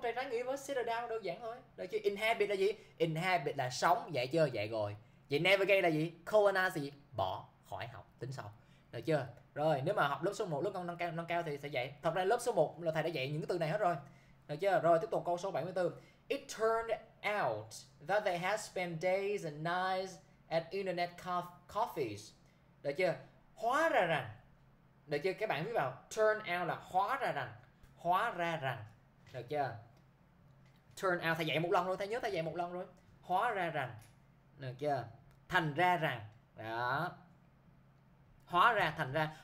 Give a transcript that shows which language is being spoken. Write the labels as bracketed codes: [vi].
[vi] Thầy trái nghĩa với settle down đơn giản thôi. Được chưa? Inhabit là gì? Inhabit là sống, dạy chưa? Dạy rồi. Vậy navigate là gì? Colonize gì? Bỏ, khỏi, học, tính sau. Được chưa? Rồi, nếu mà học lớp số 1, lớp con nâng cao thì sẽ dạy. Thật ra lớp số 1 là thầy đã dạy những cái từ này hết rồi. Được chưa? Rồi, tiếp tục câu số 74. [en] It turned out that they had spent days and nights at internet coffees. [vi] Được chưa? Hóa ra rằng. Được chưa? Các bạn viết vào turn out là hóa ra rằng. Hóa ra rằng. Được chưa? Turn out thầy dạy một lần rồi, thầy nhớ thầy dạy một lần rồi. Hóa ra rằng. Được chưa? Thành ra rằng. Đó. Hóa ra thành ra.